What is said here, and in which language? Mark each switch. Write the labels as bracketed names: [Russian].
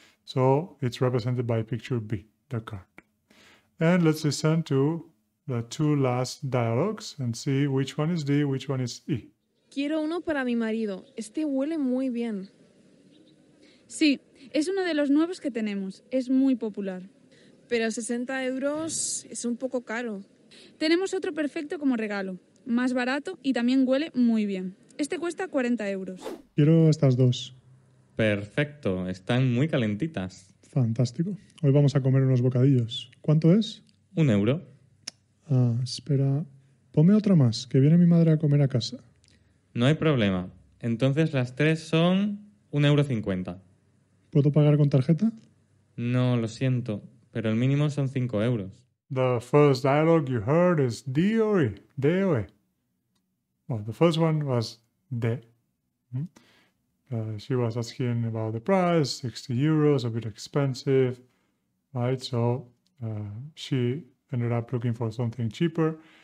[English] So it's represented by picture B, the card. And let's listen to the two last dialogues and see which one is D, which one is E. [Spanish] Quiero uno para mi marido. Este huele muy bien. Sí, es uno de los nuevos que tenemos. Es muy popular. Pero 60 euros es un poco caro. Tenemos otro perfecto como regalo. Más barato y también huele muy bien. Este cuesta 40 euros. Quiero estas dos. Perfecto, están muy calentitas. Fantástico. Hoy vamos a comer unos bocadillos. ¿Cuánto es? 1 euro. Ah, espera. Ponme otra más, que viene mi madre a comer a casa. No hay problema. Entonces las tres son 1,50 euros. ¿Puedo pagar con tarjeta? No, lo siento, pero el mínimo son 5 euros. [English] The first dialogue you heard is D or E. D or E. Well, the first one was D. She was asking about the price, 60 euros, a bit expensive, right? So she ended up looking for something cheaper.